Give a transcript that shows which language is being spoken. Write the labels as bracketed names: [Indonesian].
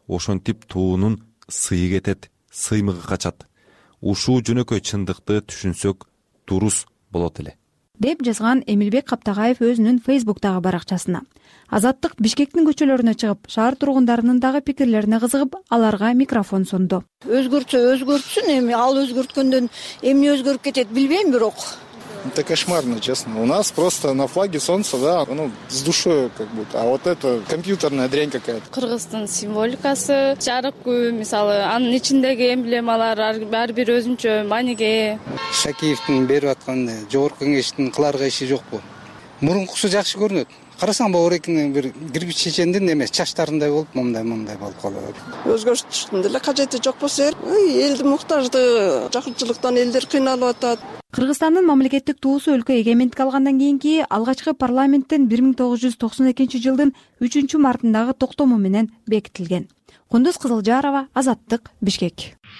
[Kyrgyz] Ошентип туунун сыйы кетет, сыймыгы качат. Ушул жөнөкөй чындыкты түшүнсөк дурус болот эле. деп жазган Эмилбек Каптагаев өзүнүн Facebook-тагы баракчасына. Азаттык Бишкектин көчөлөрүнө чыгып, шаар тургундарынын дагы пикирлерине кызыгып, аларга микрофон сунду. Өзгөрчө өзгөртсүн, эми ал өзгөрткөндөн эмне өзгөрүп кетет билбейм бирок. [Russian] Это кошмарно, честно. У нас просто на флаге солнце, да, ну, с душой как будто. А вот это компьютерная дрянь какая-то. [Kyrgyz] Кыргызстан символикасы, жарык күү, мисалы, анын ичиндеги эмблемалар, ар бир өзүнчө мааниге. Шакиевдин берип аткан жогорку кеңештин кыларга иши жокпу? Мурункусу жакшы көрүнөт. Карасаң баорекинин бир кирпич чечендин эмес чачтарындай болуп мондай болуп калат. Өзгөрүштүн деле кажети жок болсо эр. Элдин муктаждыгы, жакынчылыктан элдер кыйналып атат. Кыргызстандын мамлекеттик туусу өлкө эгемендик алгандан кийинки алгачкы парламенттин 1992 жылдын 3 мартындагы токтому менен бекитилген. Кундуз Кызылжарова, Азаттык, Бишкек.